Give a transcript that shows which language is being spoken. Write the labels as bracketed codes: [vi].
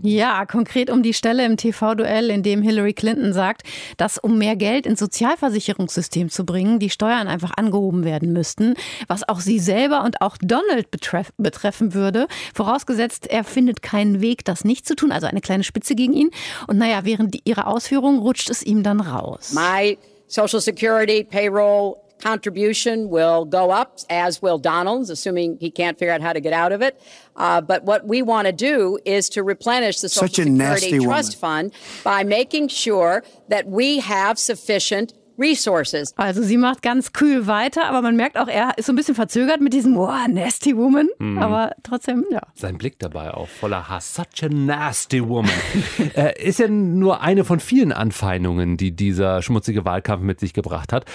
[de] Ja, konkret um die Stelle im TV-Duell, in dem Hillary Clinton sagt, dass um mehr Geld ins Sozialversicherungssystem zu bringen, die Steuern einfach angehoben werden müssten, was auch sie selber und auch Donald betreffen würde. Vorausgesetzt, er findet keinen Weg, das nicht zu tun, also eine kleine Spitze gegen ihn. Und naja, während ihrer Ausführung rutscht es ihm dann raus. [en] My Social Security payroll contribution will go up, as will Donald's, assuming he can't figure out how to get out of it. But what we want to do is to replenish the Social Security trust fund by making sure that we have sufficient resources. [de] Also sie macht ganz kühl weiter, aber man merkt auch, er ist so ein bisschen verzögert mit diesem [en] "Oh, nasty woman", [de] aber trotzdem, ja. Sein Blick dabei auch voller Hass. [en] Such a nasty woman. [de] ist ja nur eine von vielen Anfeindungen, die dieser schmutzige Wahlkampf mit sich gebracht hat.